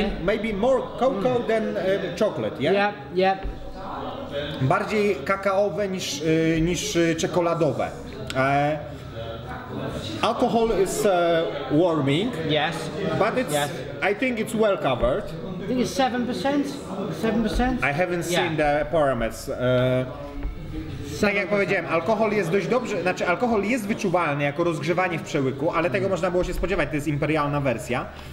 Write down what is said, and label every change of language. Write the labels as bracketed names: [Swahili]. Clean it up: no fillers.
[English] Maybe more cocoa than chocolate, yeah? Yeah, yeah. [Polish] Bardziej kakaowe niż czekoladowe. [English] Alcohol is warming. Yes. But it's. Yes. I think it's well covered. I think it's 7%. 7%. I haven't seen the parameters. [Polish] Tak jak powiedziałem, alkohol jest dość dobrze, znaczy alkohol jest wyczuwalny jako rozgrzewanie w przełyku, ale tego można było się spodziewać, to jest imperialna wersja.